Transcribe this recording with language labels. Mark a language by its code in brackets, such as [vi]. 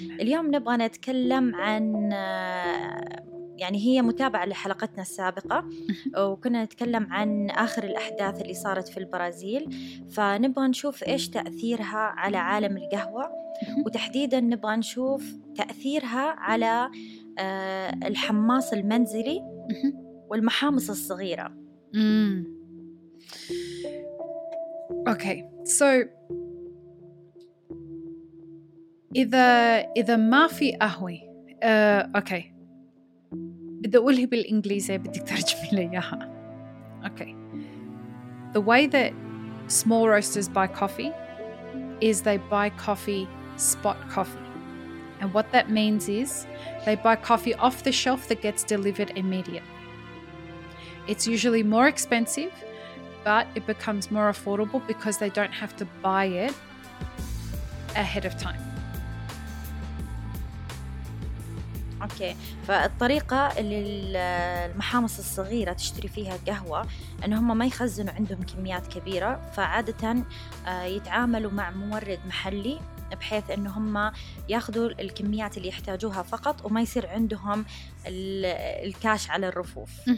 [ar] اليوم نبغى نتكلم عن، يعني هي متابعة لحلقتنا السابقة وكنا نتكلم عن آخر الأحداث اللي صارت في البرازيل، فنبغى نشوف إيش تأثيرها على عالم القهوة، وتحديدا نبغى نشوف تأثيرها على الحماص المنزلي والمحامص الصغيرة. Okay, so إذا ما في قهوة، okay، بدي أقولها بالإنجليزية بدك ترجمي ليها. [en] Okay, the way that small roasters buy coffee is they buy coffee spot coffee, and what that means is they buy coffee off the shelf that gets delivered immediately. It's usually more expensive, but it becomes more affordable because they don't have to buy it ahead of time. [ar] أوكي، فالطريقة اللي المحامص الصغيرة تشتري فيها قهوة أن هم ما يخزنوا عندهم كميات كبيرة، فعادة يتعاملوا مع مورد محلي بحيث أن هم يأخذوا الكميات اللي يحتاجوها فقط وما يصير عندهم الكاش على الرفوف.